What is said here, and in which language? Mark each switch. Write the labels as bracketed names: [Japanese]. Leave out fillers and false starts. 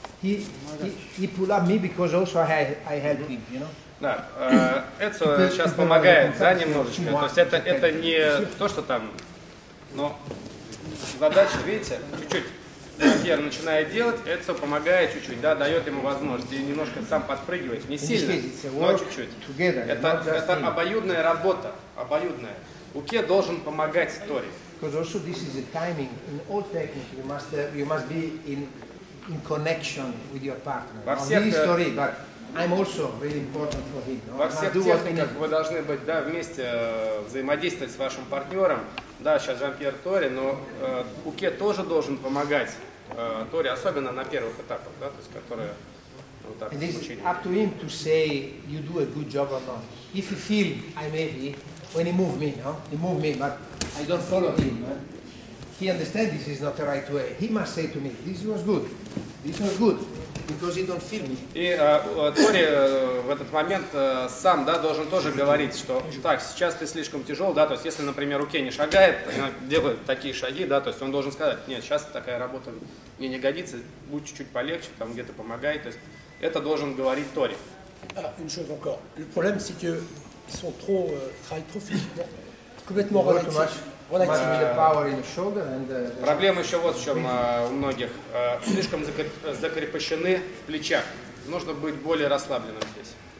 [English] He pull up me because also I help him, you know? [Russian] Да, это сейчас помогает, да, немножечко. То есть это не то, что там, но задача, видите, чуть-чуть. Я начинаю делать, это помогает чуть-чуть, да, дает ему возможность и немножко сам подпрыгивает, не сильно, но чуть-чуть. [English] Together, [Russian] это обоюдная работа, обоюдная. Уке должен помогать Тори. [English] Because also this is a timing in all technique. You must be in connection with your partner. [Russian] Во всех историях, [English] but I'm also really important for him. [Russian] Во всех техниках вы должны быть, да, вместе взаимодействовать с вашим партнером. Да, сейчас Жан-Пьер Тори, но Уке тоже должен помогать Тори, особенно на первых этапах, да, то есть которые вот так. [English] And it's up to him to say you do a good job or not. If you feel I maybe when he moved me, no? He moved me, but I don't follow him. He understands this is not the right way. He must say to me, this was good, because he don't feel me. [Russian] И Тори в этот момент сам, да, должен тоже говорить, что так, сейчас ты слишком тяжел, да, то есть если, например, руке не шагает, делает такие шаги, да, то есть он должен сказать, нет, сейчас такая работа мне не годится, будь чуть-чуть полегче, там где-то помогай, то есть это должен говорить Тори. [French] Une chose encore. Le problème, c'est que ils sont trop travaillent trop physiquement, complètement relaxés. [Russian] Проблема еще вот в чем у многих. Слишком закрепощены в плечах. Нужно быть более расслабленным здесь.